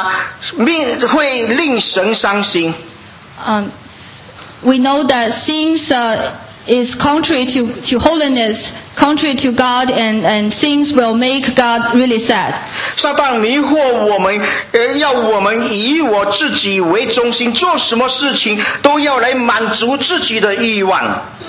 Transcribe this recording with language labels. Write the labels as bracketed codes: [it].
[zh] 我们要知道罪是与神敌对，知道罪会令神伤心。 [en] We know that sins is contrary to holiness, contrary to God, and sins will make God really sad. [zh] 撒旦迷惑我们，要我们以我自己为中心，做什么事情都要来满足自己的欲望。